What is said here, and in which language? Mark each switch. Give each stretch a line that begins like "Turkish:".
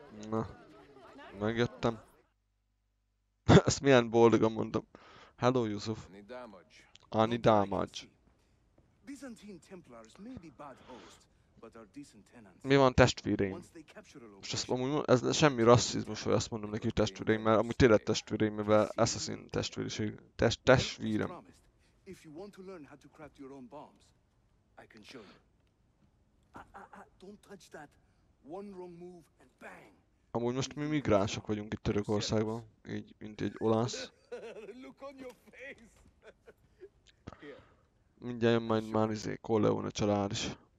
Hungarian: Na, megjöttem. Ezt milyen boldogan mondtam.
English: Hello,
Hungarian: Yusuf. Annyi damage.
English: Byzantine Templars may be bad hosts, but are decent tenants.
Hungarian: Mi van, testvéreim? Most azt amúgy mondom, ez semmi rasszizmus, hogy azt mondom neki, testvéreim, mert amúgy tényleg testvéreim, mivel assassin testvériség. Testvérem.
English: If you want to learn how to craft your own bombs, I can show you. Don't touch that. One wrong move and bang.
Hungarian: Amúgy most mi migránsok vagyunk itt Törökországban, így mint egy olasz.
English: Look on your face.
Hungarian: Mindjárt jön majd már izé, Corleone család is.